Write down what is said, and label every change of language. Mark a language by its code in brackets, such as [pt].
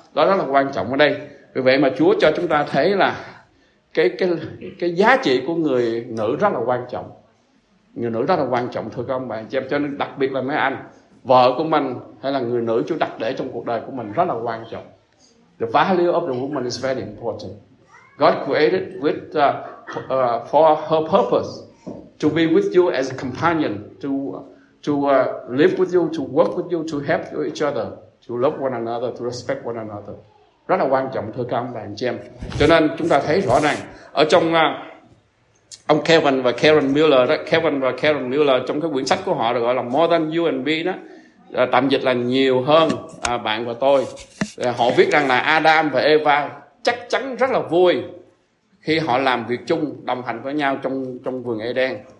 [vi] Đó rất là quan trọng ở đây. Vì vậy mà Chúa cho chúng ta thấy là cái giá trị của người nữ rất là quan trọng. Người nữ rất là quan trọng, thưa các ông bạn chị em. Cho nên đặc biệt là mấy anh, vợ của mình hay là người nữ Chúa đặt để trong cuộc đời của mình rất là quan trọng. [en] The value of the woman is very important. God created with for her purpose to be with you as a companion, to live with you, to work with you, to help you each other, to love one another, to respect one another. [vi] Rất là quan trọng, thưa các ông bà anh chị em. Cho nên chúng ta thấy rõ ràng ở trong ông Kevin và Karen Miller đó, Kevin và Karen Miller trong cái quyển sách của họ được gọi là More Than You and Me đó, tạm dịch là nhiều hơn bạn và tôi. Họ viết rằng là Adam và Eva chắc chắn rất là vui khi họ làm việc chung, đồng hành với nhau trong trong vườn Eden.